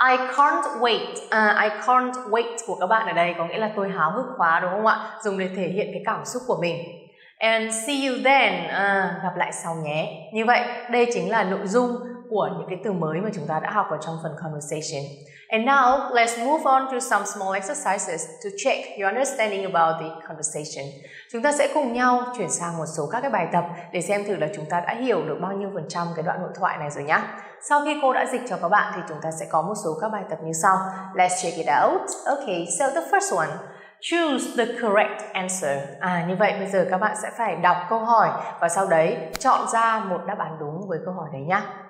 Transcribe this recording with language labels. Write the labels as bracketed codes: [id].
[vi] I can't wait của các bạn ở đây có nghĩa là tôi háo hức quá, đúng không ạ? Dùng để thể hiện cái cảm xúc của mình. [en] And see you then, [vi] gặp lại sau nhé. Như vậy, đây chính là nội dung của những cái từ mới mà chúng ta đã học ở trong phần conversation. [en] And now, let's move on to some small exercises to check your understanding about the conversation. [vi] Chúng ta sẽ cùng nhau chuyển sang một số các cái bài tập để xem thử là chúng ta đã hiểu được bao nhiêu phần trăm cái đoạn hội thoại này rồi nhá. Sau khi cô đã dịch cho các bạn thì chúng ta sẽ có một số các bài tập như sau. [en] Let's check it out. Okay, so the first one. Choose the correct answer. [vi] À, như vậy bây giờ các bạn sẽ phải đọc câu hỏi và sau đấy chọn ra một đáp án đúng với câu hỏi đấy nhá.